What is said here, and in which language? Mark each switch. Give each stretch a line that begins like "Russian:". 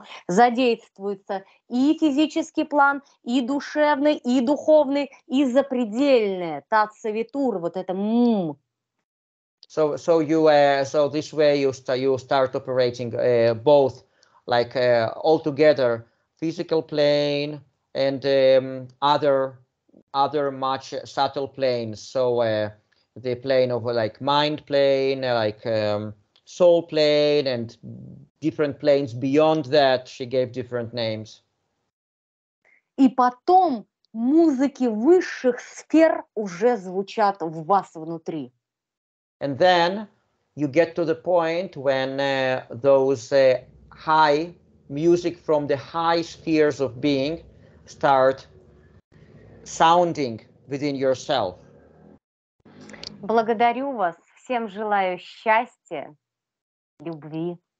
Russian: Задействуется и физический план, и душевный, и духовный, и запредельное. Тацавитур, вот это мм.
English: So this way you start operating both, like all together, physical plane and other much subtle planes. So the plane of like mind plane, like soul plane, and different planes beyond that. She gave different names.
Russian: И потом музыки высших сфер уже звучат в вас внутри.
English: And then you get to the point when those high music from the high spheres of being start sounding within yourself.
Russian: Благодарю вас. Всем желаю счастья, любви.